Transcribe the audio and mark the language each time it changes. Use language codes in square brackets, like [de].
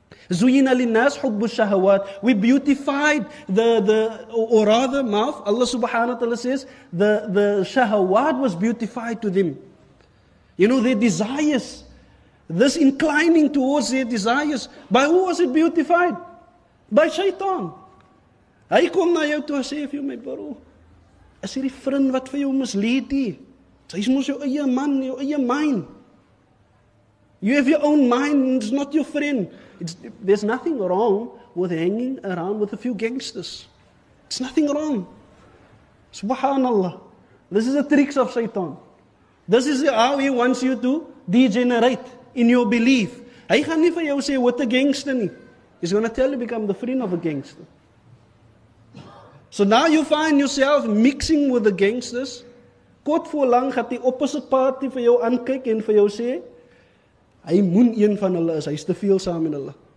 [ar] زُيِّنَ لِلنَّاسِ حُبُّ الشَّهَوَاتِ [en] We beautified the mouth, Allah subhanahu wa ta'ala says, the shahawat was beautified to them. You know, their desires, this inclining towards their desires, by who was it beautified? By shaitan. [af] Hy kom na jou toe en sê vir jou, my bro, is hierdie vriend wat vir jou mislead die? Sy is mos jou eie man, jou eie mind. [en] You have your own mind, it's not your friend. There's nothing wrong with hanging around with a few gangsters. It's nothing wrong. Subhanallah. This is the tricks of shaitan. This is how he wants you to degenerate in your belief. [af] Hy gaan nie vir jou sê, [en] what a gangster [af] nie. [en] He's going to tell you become the friend of a gangster. So now you find yourself mixing with the gangsters. [af] Kort voor lang gaat die [en] opposite party [af] vir jou aankyk en vir jou sê, hy moet een van hulle is, hy is te veel saam met hulle.